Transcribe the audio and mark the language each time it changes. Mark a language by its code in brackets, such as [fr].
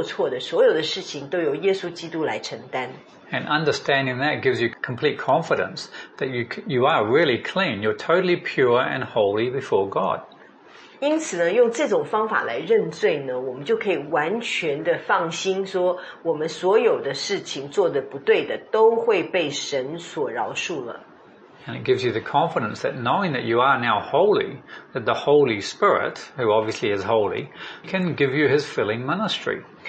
[zh] 所以呢，我们要理解的就是说，任何我们有的时候，我们在认罪的时候，我们不只是我们知道的罪，甚至我们可以跟神认我们可能不知道的罪，就任何可能是我们做错，我们担心他可能不符合神的心意的，我们都可以跟神去祈求，让他能够饶恕我们，然后让这些我们做错的所有的事情都由耶稣基督来承担。 [en] And understanding that gives you complete confidence that you are really clean. You're totally pure and holy before God. [zh] 因此呢，用这种方法来认罪呢，我们就可以完全的放心说，我们所有的事情做的不对的都会被神所饶恕了。And [en] it gives you the confidence that knowing that you are now holy, that the Holy Spirit, who obviously is holy, can give you His filling ministry.